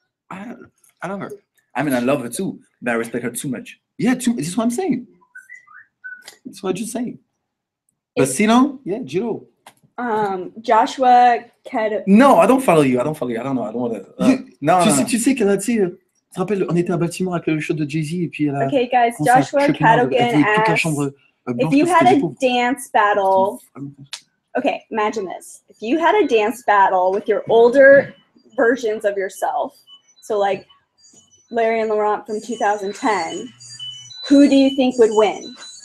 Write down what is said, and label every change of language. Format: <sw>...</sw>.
<en>I love her. I mean, I love her too. But I respect her too much. Yeah, too. This is what I'm saying. That's what I just saying. But sit on? Yeah, J-Lo. Joshua No, I don't follow you. I don't follow you. I don't know. I don't want to. No,</en> <fr>Tu sais qu'elle a dit. Tu te rappelles, on était à Baltimore avec le show de Jay-Z et puis elle a.</fr> <en>Okay, guys. Joshua Cadogan asked, if you had a dance battle. Okay, imagine this. If you had a dance battle with your older versions of yourself, so like Larry and Laurent from 2010, who do you think would win?</en>